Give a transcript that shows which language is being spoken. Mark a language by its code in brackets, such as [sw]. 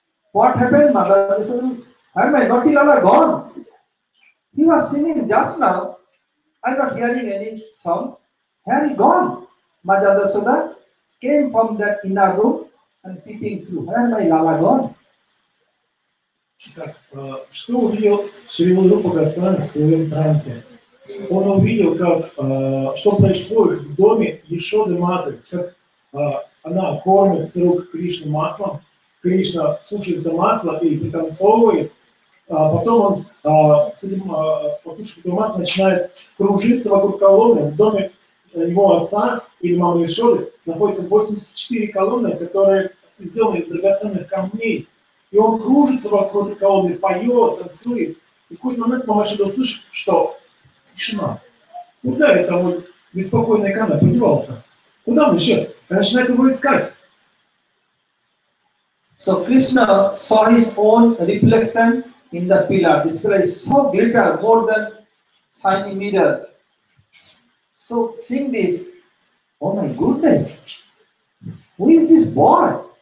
[en] What happened, Mother Yashoda? Why my naughty lala gone? He was singing just now. I'm not hearing any song. Where he gone? Mother Yashoda came from that inner room and peeping through. Where my lala gone? [ru] Что увидел Шрила Рупа Госвами в своем трансе? Он увидел, как, что происходит в доме Яшоды Матери, как она кормит сыру Кришну маслом, Кришна кушает это масло и пританцовывает, а потом он с этим покушает это масло, начинает кружиться вокруг колонны. В доме его отца или мамы Ишоды находятся 84 колонны, которые сделаны из драгоценных камней. И он кружится вокруг этой колонны, поет, танцует. И в какой-то момент мама Ишоды слышит, что тишина. Куда это вот беспокойная камня подевался? Куда он исчез? И начинает его искать. [en] So Krishna saw his own reflection in the pillar. This pillar is so glitter, more than shiny mirror. So seeing this, oh my goodness, who is this boy?